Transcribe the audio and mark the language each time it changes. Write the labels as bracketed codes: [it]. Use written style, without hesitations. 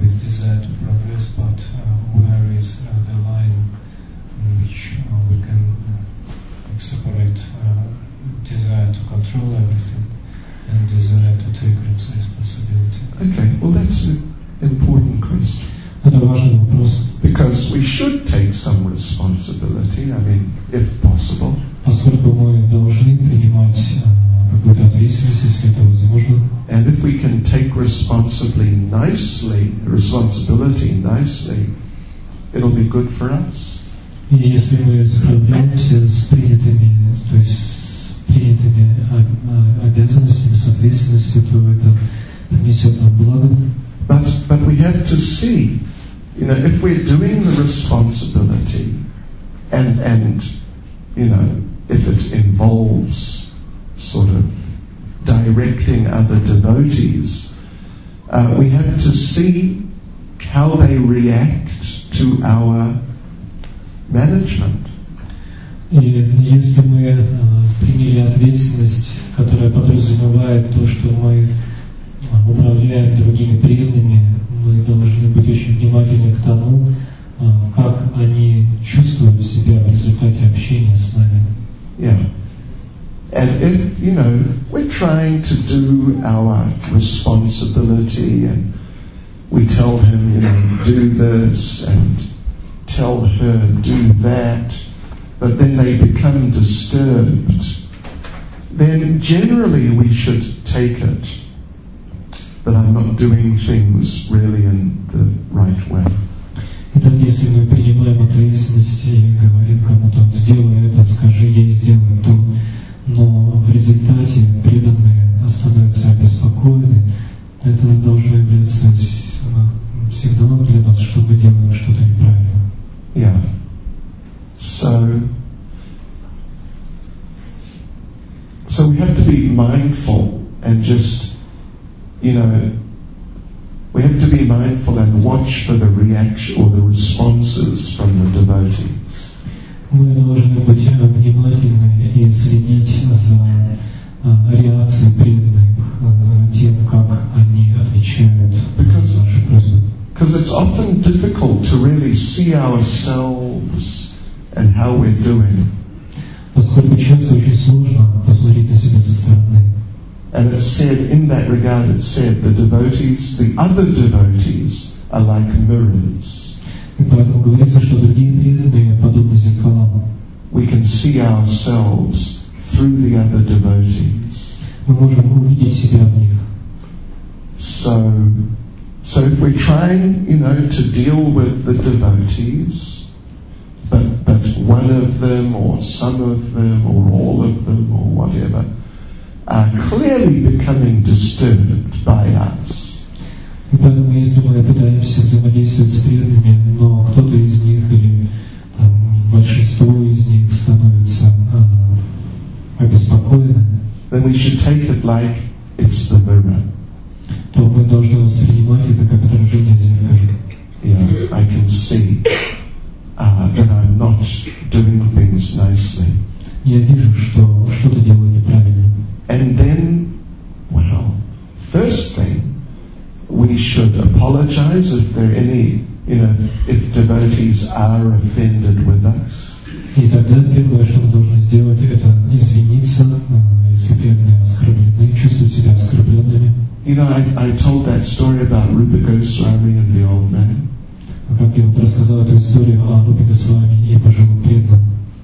[en] with desire to progress, but where is the line in which we can separate desire to control everything and desire to take responsibility? Okay, well, that's an important question. [ru] Это важный вопрос. [en] Because we should take some responsibility, I mean, if possible. [ru] Поскольку мы должны принимать какую-то ответственность, если это возможно. [en] And if we can take responsibility nicely, it'll be good for us. [ru] И если мы справляемся с принятыми, то есть с принятыми обязанностями, с ответственностью, то это принесет нам благо. [en] But we have to see, you know, if we're doing the responsibility and you know, if it involves sort of directing other devotees, we have to see how they react to our management. [ru] Если мы приняли ответственность, которая подразумевает то, что мы управляем другими преданными, мы должны быть очень внимательны к тому, как они чувствуют себя в результате общения с нами. [en] Yeah. And if, you know, we're trying to do our responsibility and we tell him, you know, do this and tell her, do that, but then they become disturbed, then generally we should take it that I'm not doing things really in the right way. [ru] Итак, если мы принимаем ответственность и говорим кому-то, сделай это, скажи ей, сделай то, но в результате преданные становятся обеспокоены, это должно являться сигналом для нас, что мы делаем что-то неправильно. [en] Yeah. So, we have to be mindful and just, you know, we have to be mindful and watch for the reaction or the responses from the devotees. [ru] Мы должны быть внимательны и следить за реакцией преданных, за тем, как они отвечают на нашу просьбу. [en] Because it's often difficult to really see ourselves and how we're doing. [ru] Поскольку часто очень сложно посмотреть на себя со стороны. [en] And it said, in that regard, it said, the devotees, the other devotees, are like mirrors. [ru] И поэтому говорится, что другие преданные подобны зеркалам. [en] We can see ourselves through the other devotees. [ru] Мы можем увидеть себя в них. [en] So if we're trying, to deal with the devotees, but one of them, or some of them, or all of them, or whatever, are clearly becoming disturbed by us. [ru] И поэтому, если мы пытаемся взаимодействовать с преданными, но кто-то из них или большинство из них становится обеспокоенным, [en] then we should take it like it's the mirror. [ru] То мы должны воспринимать это как отражение зеркала. [en] Yeah, I can see that I'm not doing things nicely. [ru] Я вижу, что что-то делаю неправильно. [en] And then, first thing, we should apologize if there are any, if devotees are offended with us. [ru] И тогда первое, что мы должны сделать, это извиниться, если преданные оскорблены, чувствуют себя оскорбленными. [en] I told that story about Rupa Goswami and the old man. [ru] Как я вам рассказал эту историю о Рупе Госвами и пожилом преданном.